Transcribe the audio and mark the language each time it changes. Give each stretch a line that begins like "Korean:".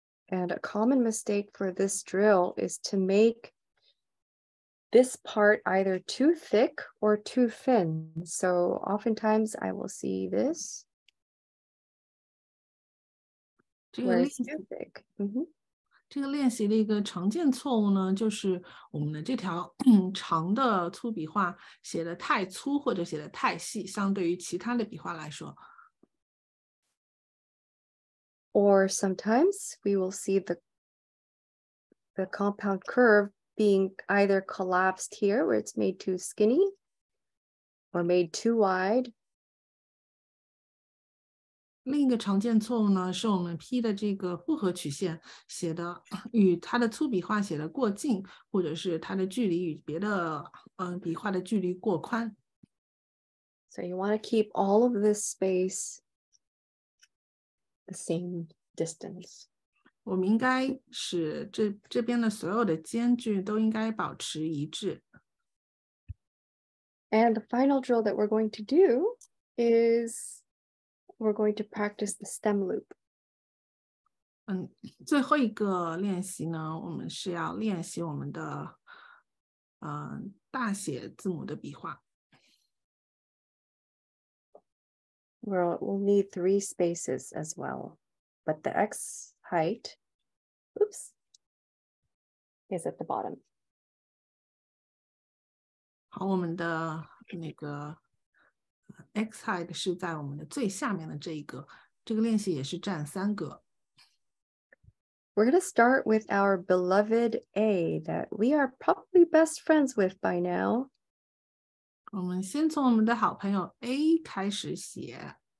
English: And a common mistake for this drill is to make this part either too thick or too thin. So oftentimes I will see this. Where is too thick?
Chinese: 这个练习的一个常见错误呢，就是我们的这条长的粗笔画写的太粗或者写的太细，相对于其他的笔画来说。
English: Or sometimes we will see the compound curve being either collapsed here where it's made too skinny or made too wide.
Chinese: 另一个常见错误呢，是我们 P 的这个复合曲线写的与它的粗笔画写的过近，或者是它的距离与别的笔画的距离过宽。
English: So you want to keep all of this space. The same distance.
Chinese: 我们应该使这边的所有的间距都应该保持一致。
English: And the final drill that we're going to do is we're going to practice the stem loop.
Chinese: 最后一个练习呢，我们是要练习我们的大写字母的笔画。
English: We'll need three spaces as well, but the X height, is at the bottom.
Chinese: 好，我们的那个 X height 是在我们的最下面的这一格。这个练习也是占三格。
English: We're going to start with our beloved A that we are probably best friends with by now.
Chinese: 我们先从我们的好朋友 A 开始写。